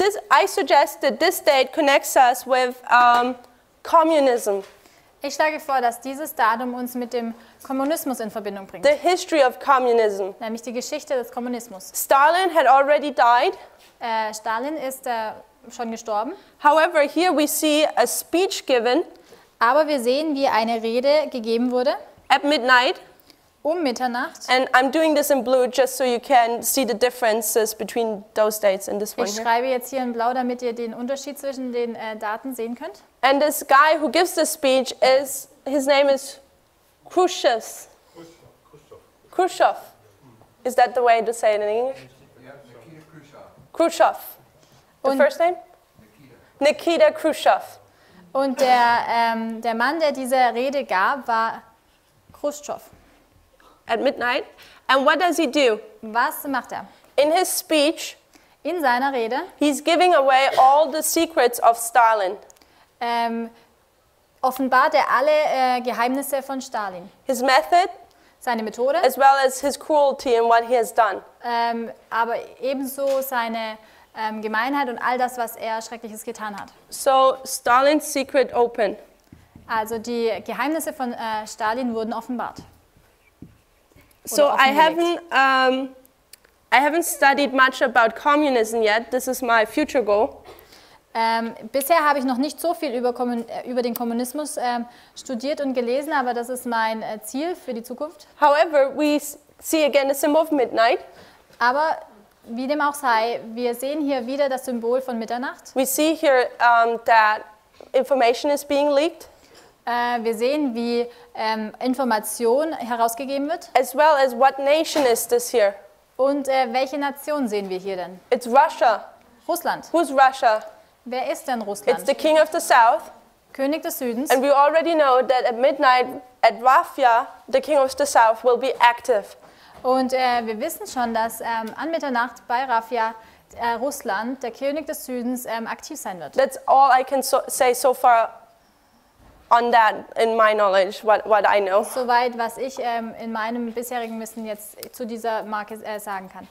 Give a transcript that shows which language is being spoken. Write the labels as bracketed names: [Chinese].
[English] I suggest that this date connects us with communism. [German] Ich schlage vor, dass dieses Datum uns mit dem Kommunismus in Verbindung bringt. [English] The history of communism. [German] Nämlich die Geschichte des Kommunismus. [English] Stalin had already died. [German] Stalin ist schon gestorben. [English] However, here we see a speech given. [German] Aber wir sehen, wie eine Rede gegeben wurde. [English] At midnight. [German] Um Mitternacht. [English] And I'm doing this in blue, just so you can see the differences between those dates and this one. [German] Ich schreibe jetzt hier in blau, damit ihr den Unterschied zwischen den Daten sehen könnt. [English] And this guy who gives the speech is, his name is Khrushchev. Khrushchev. Is that the way to say it in English? Yeah, Khrushchev. The first name? Nikita Khrushchev. [German] Und der Mann, der diese Rede gab, war Khrushchev. [English] At midnight. And what does he do? [German] Was macht er? [English] In his speech. [German] In seiner Rede. [English] He's giving away all the secrets of Stalin. [German] Offenbart er alle Geheimnisse von Stalin. [English] His method. [German] seine Methode, [English] as well as his cruelty and what he has done. [German] Aber ebenso seine Gemeinheit und all das, was er Schreckliches getan hat. [English] So Stalin's secret open. [German] Also die Geheimnisse von Stalin wurden offenbart. [English] So I haven't studied much about communism yet. This is my future goal. [German] Bisher habe ich noch nicht so viel über, über den Kommunismus studiert und gelesen, aber das ist mein Ziel für die Zukunft. [English] However, we see again the symbol of midnight. [German] Aber wie dem auch sei, wir sehen hier wieder das Symbol von Mitternacht. [English] We see here that information is being leaked. [German] Wir sehen, wie Information herausgegeben wird. [English] As well as what nation is this here? [German] Und welche Nation sehen wir hier denn? [English] It's Russia. [German] Russland. [English] Who's Russia? [German] Wer ist denn Russland? [English] It's the king of the south. [German] König des Südens. [English] And we already know that at midnight at Rafia, the king of the south will be active. [German] Und wir wissen schon, dass an Mitternacht bei Rafia Russland, der König des Südens, aktiv sein wird. [English] That's all I can say so far on that in my knowledge, what I know. [German] Soweit, was ich in meinem bisherigen Wissen jetzt zu dieser Marke sagen kann.